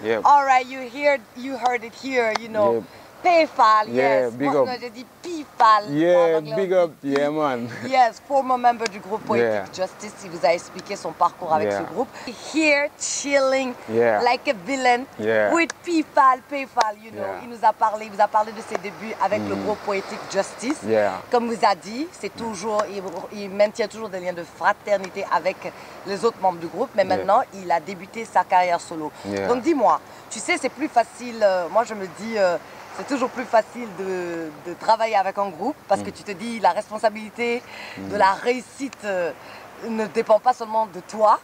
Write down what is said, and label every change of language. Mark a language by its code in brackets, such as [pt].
[en] All right, you heard it here, you know. Yep. Paypal, big up. [fr] J'ai dit Paypal. [en] Big up, yeah man. Yes, former member [fr] du groupe Poetic Justice, il vous a expliqué son parcours avec ce groupe. [en] Here, chilling like a villain with Paypal, you know. [fr] Il nous a parlé, il vous a parlé de ses débuts avec le groupe Poetic Justice. [en] Yeah. [fr] Comme vous a dit, c'est toujours, il maintient toujours des liens de fraternité avec les autres membres du groupe, mais maintenant, il a débuté sa carrière solo. [en] Yeah. [fr] Donc dis-moi, tu sais, c'est plus facile, moi je me dis, c'est toujours plus facile de travailler avec un groupe parce que tu te dis la responsabilité de la réussite ne dépend pas seulement de toi.